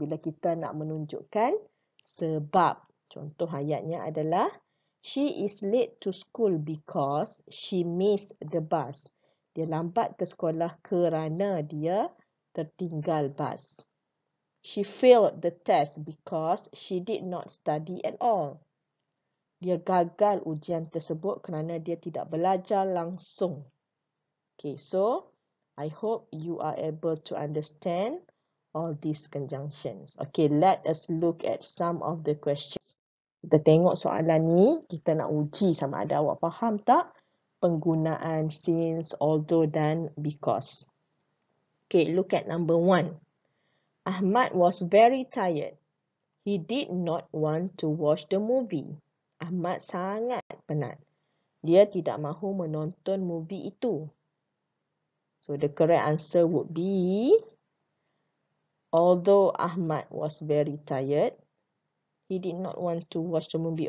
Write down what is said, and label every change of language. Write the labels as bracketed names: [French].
[Malay] Bila kita nak menunjukkan sebab. Contoh ayatnya adalah [English] she is late to school because she missed the bus. [Malay] Dia lambat ke sekolah kerana dia tertinggal bus. [English] She failed the test because she did not study at all. [Malay] Dia gagal ujian tersebut kerana dia tidak belajar langsung. [English] Okay, so I hope you are able to understand all these conjunctions. Okay, let us look at some of the questions. [Malay] Kita tengok soalan ni, kita nak uji sama ada awak faham tak penggunaan since, although dan because. [English] Okay, look at number one. Ahmad was very tired. He did not want to watch the movie. [Malay] Ahmad sangat penat. Dia tidak mahu menonton movie itu. [English] So, the correct answer would be, although Ahmad was very tired, he did not want to watch the movie.